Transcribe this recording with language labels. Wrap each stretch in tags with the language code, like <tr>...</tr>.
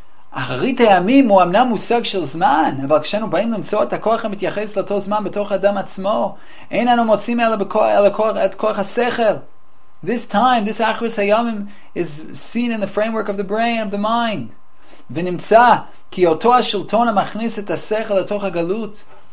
<he>אחרית הימים הוא אמנם מושג של זמן, אבל כשאנו באים למצוא את הכוח המתייחס לאותו זמן בתוך אדם עצמו, אין אנו מוצאים אלא את כוח השכל.</he> <en>This time, this אחרית הימים is seen in the framework of the brain, of the mind.</en> <he>ונמצא כי אותו השלטון המכניס את השכל לתוך הגלות.</he>